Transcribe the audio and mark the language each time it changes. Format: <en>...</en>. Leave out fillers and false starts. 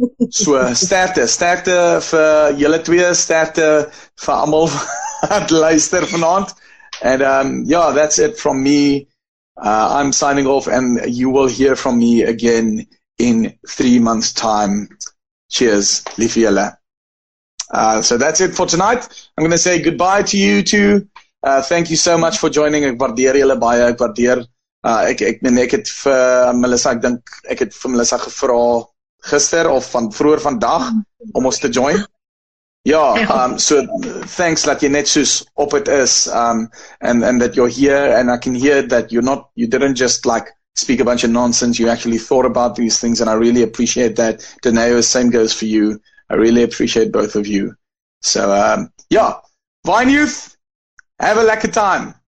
<af>So sterkte vir julle twee, sterkte vir almal wat luister vanaand.</af> <en>And yeah, that's it from me. I'm signing off and you will hear from me again in 3 months time. Cheers,</en> <af>lief julle.</af> <en>So that's it for tonight. I'm going to say goodbye to you two. Thank you so much for joining.</en> <af>Ek waardeer julle baie. Ek waardeer ek het vir Melissa gevra gister of van vroeër vandag om ons te join.</af> <en>Ja, so thanks</en> <af>dat jy net soos op het is</af> <en>and that you're here, and I can hear that you didn't just like speak a bunch of nonsense. You actually thought about these things, and I really appreciate that. Danae, same goes for you. I really appreciate both of you. So yeah, Vine Youth, have a lekker time.</en>